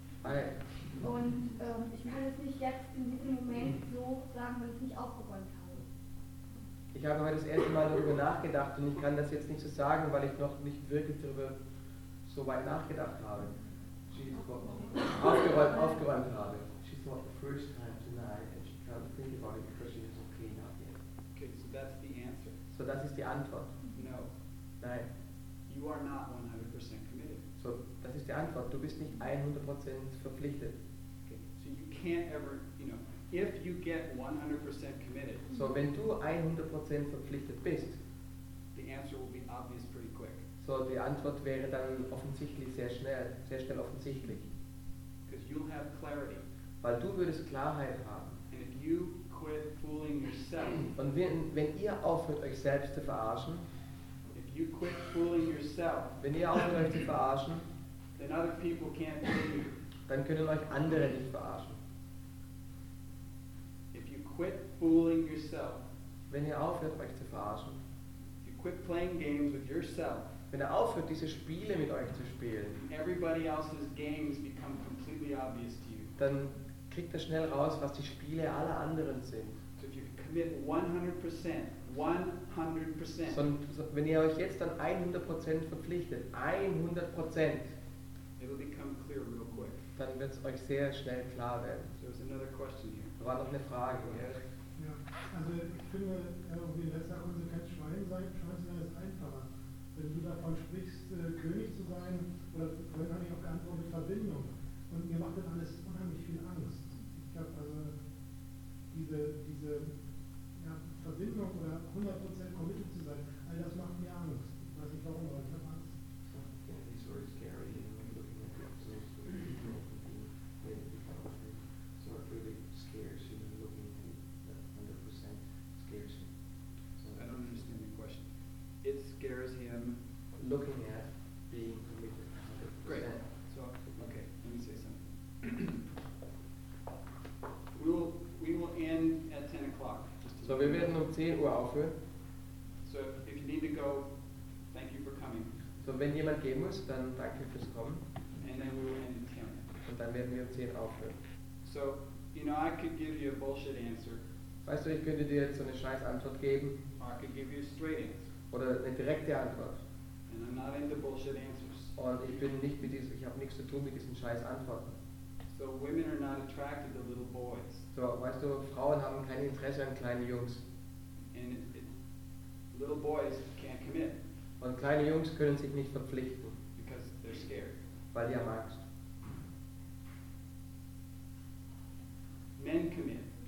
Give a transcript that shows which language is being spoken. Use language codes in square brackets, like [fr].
[en] Hi. [de] Und ich kann es nicht jetzt in diesem Moment so sagen, weil ich es nicht aufgeräumt habe. Ich habe heute das erste Mal darüber nachgedacht und ich kann das jetzt nicht so sagen, weil ich noch nicht wirklich darüber so weit nachgedacht habe. Aufgeräumt habe. [en] She thought the first time tonight and she can't think about it because she hasn't cleaned up yet. Okay, so that's the answer. [de] So das ist die Antwort. [en] No. [de] Nein. [en] You are not 100% committed. [de] So, das ist die Antwort. Du bist nicht 100% verpflichtet. [en] Okay. So you can't ever, you know, if you get 100% committed. [de] So wenn du 100% verpflichtet bist, [en] the answer will be obvious pretty quick. [de] So die Antwort wäre dann offensichtlich sehr schnell offensichtlich. [en] Because you'll have clarity. [de] Weil du würdest Klarheit haben. [en] And if you quit fooling yourself. [de] Und wenn ihr aufhört, euch selbst zu verarschen. [en] You quit fooling yourself. [de] Wenn ihr auch euch zu verarschen, [en] then other people can't fool you. [de] Dann können euch andere nicht verarschen. [en] If you quit fooling yourself. [de] Wenn ihr aufhört euch zu verarschen. [en] If you quit playing games with yourself. [de] Wenn ihr aufhört diese Spiele mit euch zu spielen. [en] Everybody else's games become completely obvious to you. [de] Dann kriegt ihr schnell raus, was die Spiele aller anderen sind. [en] So if you commit 100%. 100%. [de] So, wenn ihr euch jetzt dann 100% verpflichtet, 100%, [en] it'll become clear real quick. [de] Dann wird es euch sehr schnell klar werden. [en] There's another question here. [de] Da war noch eine Frage. Yeah. Ja, also ich finde, irgendwie lässt ja unsere kein Schwein sein ist einfacher. Wenn du davon sprichst, König zu sein, oder wenn man nicht auch geantwortet mit Verbindung. Und mir macht das alles unheimlich viel Angst. Ich glaube, also diese Verbindung oder 100% committed zu sein, all das macht mir Angst. Ich weiß nicht warum, aber ich habe Angst. [en] Yeah, he's very scary, you know, when you're looking at yourself, so you're looking at the people, the so it really scares you, when looking at the 100% scares you. So I don't understand the question. It scares him looking at being committed 100%. Great. So, okay, let me say something. We will end at 10 o'clock. [de] So wir werden um 10 Uhr aufhören. [en] So if you need to go, thank you for coming. [de] So wenn jemand gehen muss, dann danke fürs Kommen. [en] And then we will end at 10. [de] Und dann werden wir um 10 aufhören. [en] So, you know, I could give you a bullshit answer. [de] Weißt du, ich könnte dir jetzt so eine scheiß Antwort geben. [en] Or I could give you a straight answer. [de] Oder eine direkte Antwort. [en] And I'm not into bullshit answers. [de] Und ich bin nicht mit diesem, ich habe nichts zu tun mit diesen scheiß Antworten. [en] So women are not attracted to little boys. [de] So, weißt du, Frauen haben kein Interesse an kleinen Jungs. [en] And little boys can't commit. [de] Und kleine Jungs können sich nicht verpflichten. [en] Because they're scared. [de] Weil die haben Angst. [en] Men commit.